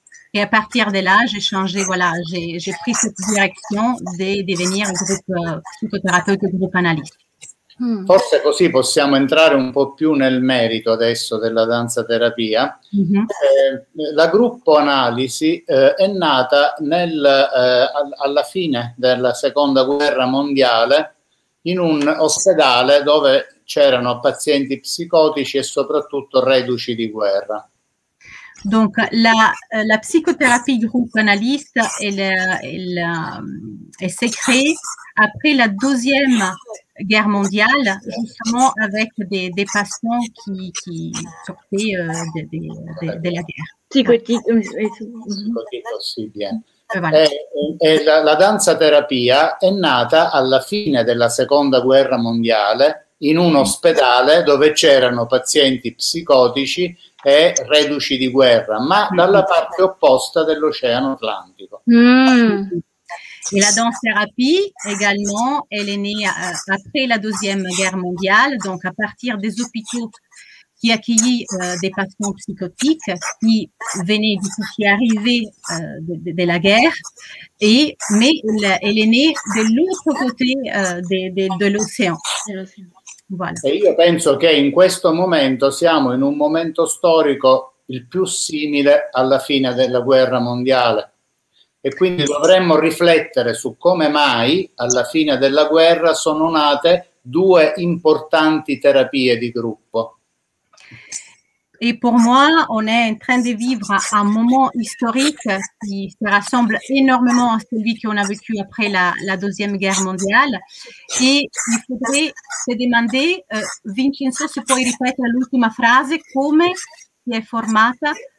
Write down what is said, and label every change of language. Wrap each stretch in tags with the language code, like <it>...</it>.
<fr>Et à partir de là, j'ai changé, voilà, j'ai pris cette direction de devenir</fr> <it>gruppo psicoterapeuta gruppo analista. Forse così possiamo entrare un po' più nel merito adesso della danza terapia. La gruppo analisi è nata alla fine della seconda guerra mondiale in un ospedale dove c'erano pazienti psicotici e soprattutto reduci di guerra.</it> <fr>Donc la</fr> <it>psicoterapia gruppo analista è creata</it> <fr>après la deuxième guerre mondiale, justement avec des patients qui sortaient de la guerre.</fr> <it>Psicotico, sì, bien. La danza terapia è nata alla fine della seconda guerra mondiale in un ospedale dove c'erano pazienti psicotici e reduci di guerra, ma dalla parte opposta dell'Oceano Atlantico.</it> <fr>Et la danse thérapie également, elle est née après la Deuxième Guerre mondiale, donc à partir des hôpitaux qui accueillaient des patients psychotiques qui venaient d'ici arriver de la guerre, mais elle est née de l'autre côté de l'océan. Voilà. Et je pense que</fr> <it>in questo momento siamo in un momento storico il più simile alla fine della guerra mondiale. E quindi dovremmo riflettere su come mai alla fine della guerra sono nate due importanti terapie di gruppo. E per me,</it> <fr>on est en train de vivre un moment historique qui se rassemble énormément à celui qu'on a vécu après la Deuxième Guerre mondiale. Et il faudrait se demander,</fr> <it>Vincenzo, se puoi ripetere l'ultima frase, come si è formata?</it>